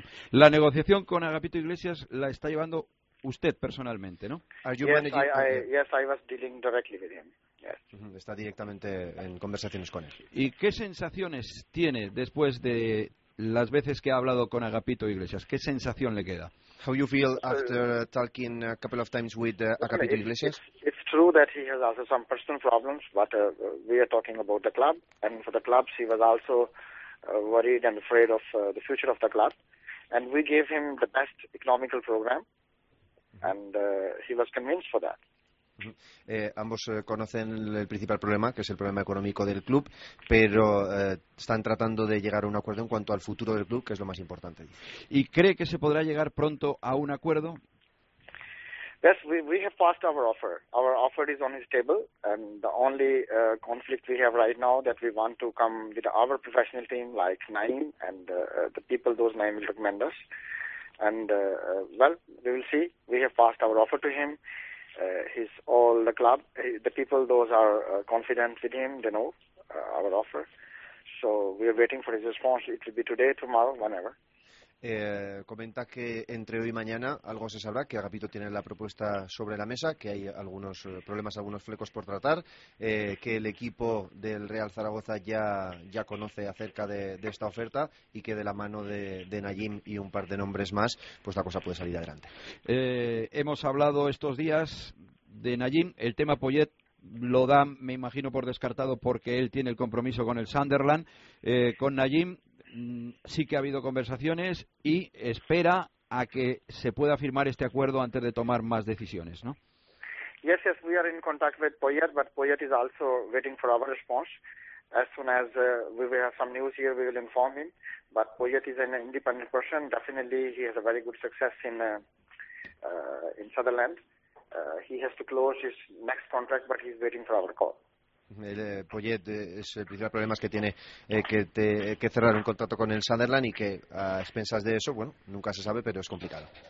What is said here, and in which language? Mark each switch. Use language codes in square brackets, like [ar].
[es] La negociación con Agapito Iglesias la está llevando usted personalmente, ¿no? [en] Yes, I was dealing directly with him. Yes. [es] Está directamente en conversaciones con él. ¿Y qué sensaciones tiene después de las veces que ha hablado con Agapito Iglesias? ¿Qué sensación le queda? [en] How you feel after talking a couple of times with Agapito Iglesias? It's true that he has also some personal problems, but we are talking about the club, and for the club he was also worried and afraid of the future of the club, and we gave him the best economical program, and he was convinced for that. [es] Ambos conocen el principal problema, que es el problema económico del club, pero están tratando de llegar a un acuerdo en cuanto al futuro del club, que es lo más importante. ¿Y cree que se podrá llegar pronto a un acuerdo? [en] Yes, we have passed our offer. Our offer is on his table, and the only conflict we have right now that we want to come with our professional team, like Naim, and the people those Naim will recommend us. And well, we will see. We have passed our offer to him. He's all the club, the people, those are confident with him, they know our offer. So we are waiting for his response. It will be today, tomorrow, whenever. [es] Comenta que entre hoy y mañana algo se sabrá, que Agapito tiene la propuesta sobre la mesa, que hay algunos problemas, algunos flecos por tratar, que el equipo del Real Zaragoza ya conoce acerca de esta oferta y que de la mano de Najim y un par de nombres más, pues la cosa puede salir adelante. Hemos hablado estos días de Najim, el tema Poyet lo da, me imagino, por descartado porque él tiene el compromiso con el Sunderland. Con Najim sí que ha habido conversaciones y espera a que se pueda firmar este acuerdo antes de tomar más decisiones, ¿no? [en] Yes, yes, we are in contact with Poyet, but Poyet is also waiting for our response. As soon as we have some news here, we will inform him. But Poyet is an independent person. Definitely, he has a very good success in Sutherland. He has to close his next contract, but he's waiting for our call. [es] Poyet, es el principal problema que tiene que cerrar un contrato con el Sunderland y que a expensas de eso, bueno, nunca se sabe, pero es complicado.